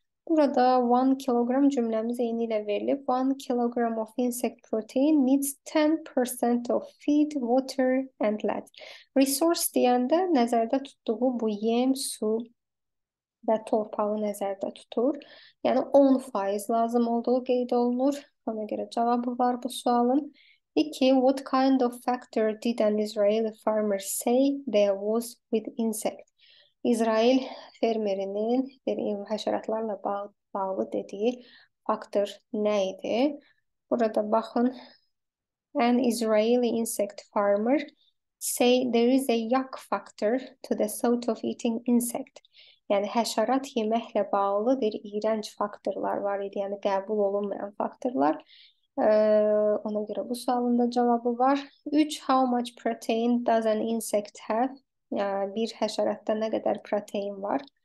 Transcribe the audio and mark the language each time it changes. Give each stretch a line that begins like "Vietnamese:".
Azerbaijani: Burada 1 kilogram cümləmiz eyni ilə verilib.
English: 1 kilogram of insect protein needs 10% of feed, water and lead.
Azerbaijani: Resource deyəndə nəzərdə tutduğu bu yem, su və torpağı nəzərdə tutur. Yəni 10% lazım olduğu qeyd olunur. Ona görə cavabı var bu sualın. 2.
English: What kind of factor did an Israeli farmer say there was with insect?
Azerbaijani: İsrail fermerinin həşəratlarla bağlı dediyi faktor nə idi? Burada baxın.
English: An Israeli insect farmer say there is a yuck factor to the thought of eating insect.
Azerbaijani: Yəni həşərat yeməklə bağlı bir iyrənc faktorlar var idi, yəni qəbul olunmayan faktorlar. Ona görə bu sualın da cavabı var. 3.
English: How much protein does an insect have?
Azerbaijani: Yəni, bir həşəratda nə qədər protein var?